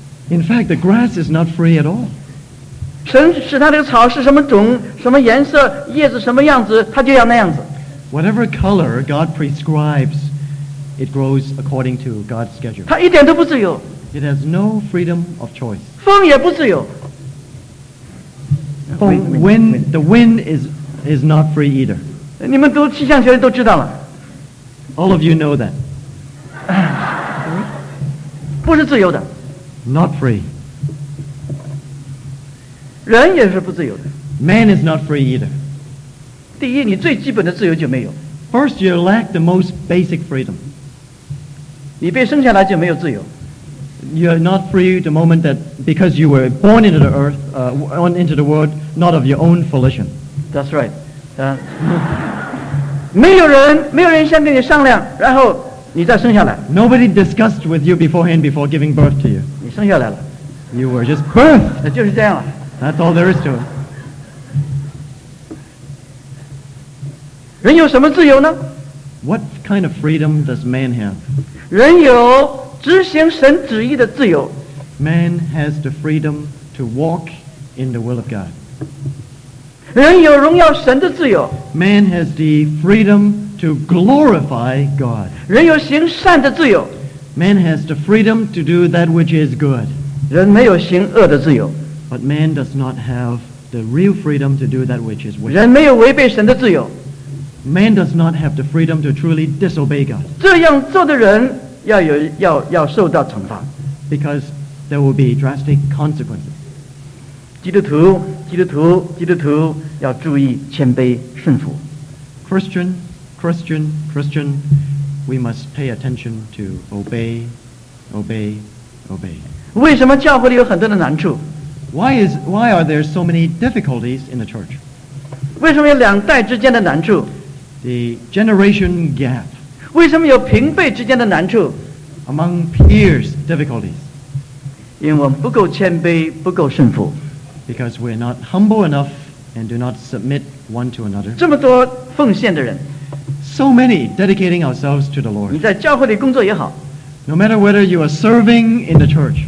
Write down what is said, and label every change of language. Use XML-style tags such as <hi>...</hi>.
<en>In fact, the grass is not free at all.</en> <zh>神使他这个草是什么种、什么颜色、叶子什么样子，它就要那样子。</zh> <en>Whatever color God prescribes, it grows according to God's schedule.</en> <zh>它一点都不自由。</zh> <en>It has no freedom of choice.</en> <zh>风也不自由。</zh> <en>Wind, the wind is not free either.</en> <zh>你们读气象学都知道了。</zh> <en>All of you know that.</en> <zh>不是自由的。</zh> <en>Not free.</en> <zh>人也是不自由的。</zh> <en>Man is not free either.</en> <zh>第一，你最基本的自由就没有。</zh> <en>First, you lack the most basic freedom.</en> <zh>你被生下来就没有自由。</zh> <en>You are not free the moment that because you were born into the earth, born into the world, not of your own volition. That's right.</en> <zh>没有人先跟你商量，然后你再生下来。</zh> <en>Nobody discussed with you beforehand before giving birth to you.</en> <zh>你生下来了。</zh> <en>You were just birthed.</en> <zh>那就是这样了。</zh> <en>That's all there is to it.</en> <zh>人有什么自由呢？</zh> <en>What kind of freedom does man have?</en> <zh>人有执行神旨意的自由。</zh> <en>Man has the freedom to walk in the will of God.</en> <zh>人有荣耀神的自由。</zh> <en>Man has the freedom to glorify God.</en> <zh>人有行善的自由。</zh> <en>Man has the freedom to do that which is good.</en> <zh>人没有行恶的自由。</zh> <en>But man does not have the real freedom to do that which is wicked.</en> <zh>人没有违背神的自由。</zh> <en>Man does not have the freedom to truly disobey God.</en> <zh>这样做的人要受到惩罚。</zh> <en>Because there will be drastic consequences.</en> <zh>基督徒要注意谦卑顺服。</zh> <en>Christian, we must pay attention to obey.</en> <zh>为什么教会里有很多的难处？</zh> <en>Why are there so many difficulties in the church?</en> <zh>为什么有两代之间的难处？</zh> <en>The generation gap.</en> <zh>为什么有平辈之间的难处？</zh> <en>Among peers, difficulties.</en> <zh>因为我们不够谦卑，不够顺服。</zh> <en>Because we're not humble enough and do not submit one to another.</en> <zh>这么多奉献的人。</zh> <en>So many dedicating ourselves to the Lord.</en> <zh>你在教会里工作也好。</zh> <en>No matter whether you are serving in the church,</en>